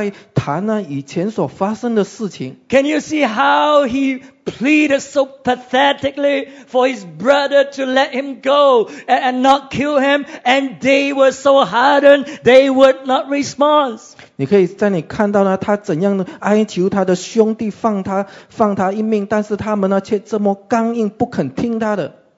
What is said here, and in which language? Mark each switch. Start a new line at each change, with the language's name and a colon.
Chinese: 在这里约瑟听到他兄弟呢在谈呢以前所发生的事情
English: Can you see how he pleaded so pathetically for his brother to let him go and not kill him, and they were so hardened they would not respond.
Chinese: 你可以在你看到呢，他怎样哀求他的兄弟放他一命，但是他们呢却这么刚硬，不肯听他的。